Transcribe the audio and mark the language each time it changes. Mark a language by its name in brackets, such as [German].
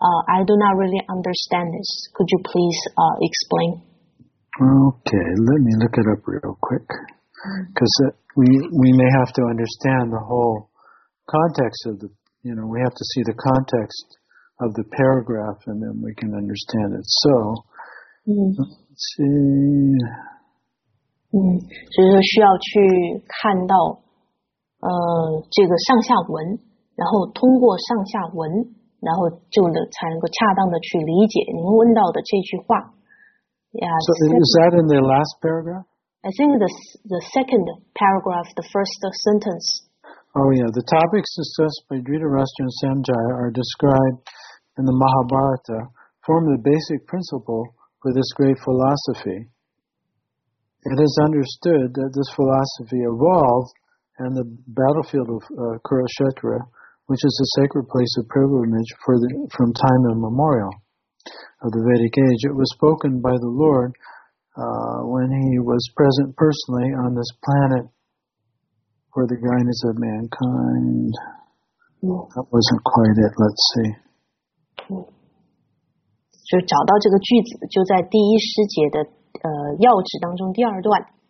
[English] I do not really understand this. Could you please explain? Okay, let me look it up real quick. Because we may have to understand the whole context of the, you know, we have to see the context of the paragraph and then we can understand it. So, let's see. [Chinese] 就是需要去看到这个上下文，然后通过上下文然后就能才能够恰当的去理解您问到的这句话。 [English] So is that in the last paragraph? I think the second paragraph, the first sentence. Oh yeah, the topics discussed by Dhritarashtra and Sanjaya are described in the Mahabharata, form the basic principle for this great philosophy. It is understood that this philosophy evolved in the battlefield of Kurukshetra. Which is a sacred place of pilgrimage from time immemorial of the Vedic age. It was spoken by the Lord when he was present personally on this planet for the guidance of mankind. That wasn't quite it. Let's see. [Chinese] 就找到这个句子，就在第一诗节的要旨当中第二段。